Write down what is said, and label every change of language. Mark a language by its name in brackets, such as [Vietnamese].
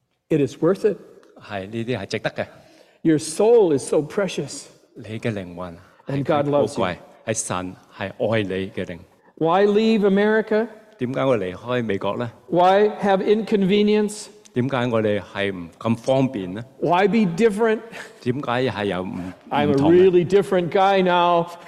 [English] it is worth it. [Chinese] 是这些是值得的, [English] your soul is so precious. [Chinese] 你的灵魂, [English] and God loves you. [Chinese] 是神是爱你的, [English] why leave America? [Chinese] 为什么我离开美国呢? [English] Why have inconvenience? [Chinese] 为什么我们是不方便呢? [English] Why be different? [Chinese] 为什么是有不同的? [English] I'm a really different guy now.